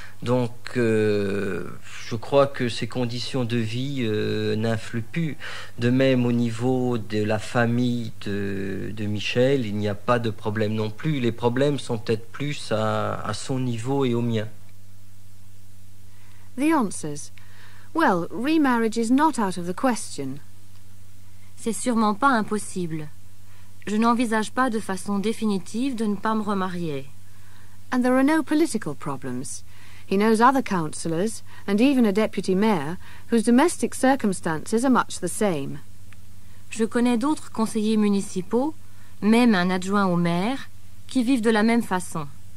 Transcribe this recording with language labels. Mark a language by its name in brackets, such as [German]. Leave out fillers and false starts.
[French] Donc, je crois que ces conditions de vie n'influent plus. De même, au niveau de la famille de Michel, il n'y a pas de problème non plus. Les problèmes sont peut-être plus à son niveau et au mien. [English] The answers. Well, remarriage is not out of the question. [French] C'est sûrement pas impossible. Je n'envisage pas de façon définitive de ne pas me remarier. [English] And there are no political problems. He knows other councillors, and even a deputy mayor, whose domestic circumstances are much the same. [French] Je connais d'autres conseillers municipaux, même un adjoint au maire, qui vivent de la même façon.